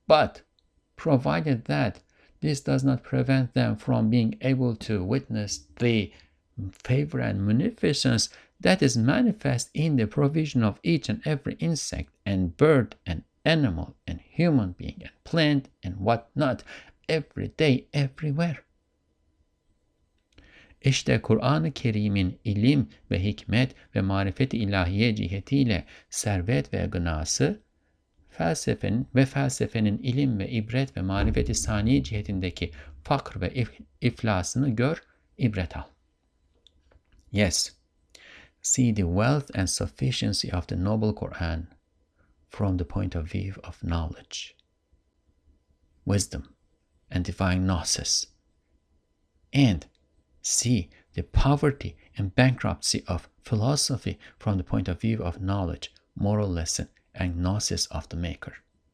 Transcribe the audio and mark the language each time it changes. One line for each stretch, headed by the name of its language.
English: But provided that this does not prevent them from being able to witness the favor and munificence that is manifest in the provision of each and every insect and bird and animal and human being and plant and whatnot every day, everywhere.
Turkish: İşte Kur'an-ı Kerim'in ilim ve hikmet ve marifet-i ilahiye cihetiyle servet ve gınası, felsefenin ve felsefenin ilim ve ibret ve marifet-i saniye cihetindeki fakr ve iflasını gör, ibret al.
English: Yes, see the wealth and sufficiency of the noble Quran from the point of view of knowledge, wisdom, and divine gnosis, and see the poverty and bankruptcy of philosophy from the point of view of knowledge, moral lesson, and gnosis of the Maker.